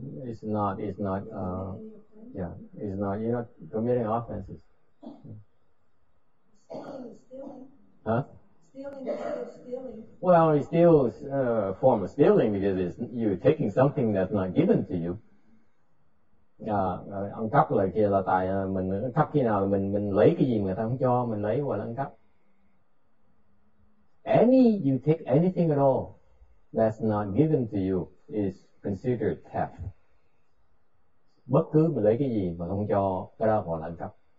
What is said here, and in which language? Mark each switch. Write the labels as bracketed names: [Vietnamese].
[English] It's not, yeah, it's not, you're not committing offenses. Stealing. Huh? Stealing, stealing. Well, it's still a form of stealing because it's, you're taking something that's not given to you. [Vietnamese] Ăn cắp là kia là tại mình ăn cắp khi nào mình lấy cái gì người ta không cho mình lấy và ăn cắp. [English] You take anything at all that's not given to you is considered theft. [Vietnamese] Bất cứ mình lấy cái gì mà không cho cái đó gọi là ăn cắp.